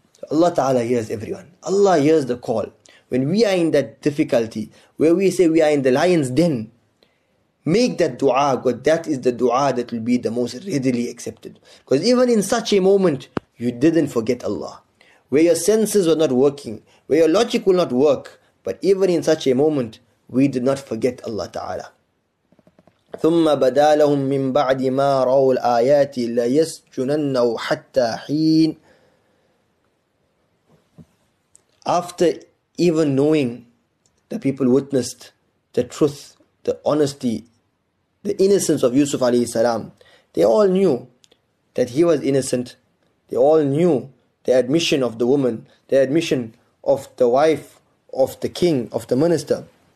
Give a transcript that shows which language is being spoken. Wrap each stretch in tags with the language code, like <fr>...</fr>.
<en>Allah Ta'ala hears everyone. Allah hears the call. When we are in that difficulty, where we say we are in the lion's den, make that dua, because that is the dua that will be the most readily accepted. Because even in such a moment, you didn't forget Allah. Where your senses were not working, where your logic will not work, but even in such a moment, we did not forget Allah Ta'ala.</en> <ar>ثُمَّ بَدَى لَهُمْ مِنْ بَعْدِ مَا رَوُوا الْآيَاتِ لَيَسْجُنَنَّوْ حَتَّى حِينَ.</ar> <en>After even knowing that people witnessed the truth, the honesty, the innocence of Yusuf alayhi salam, they all knew that he was innocent. They all knew the admission of the woman, the admission of the wife, of the king, of the minister.</en>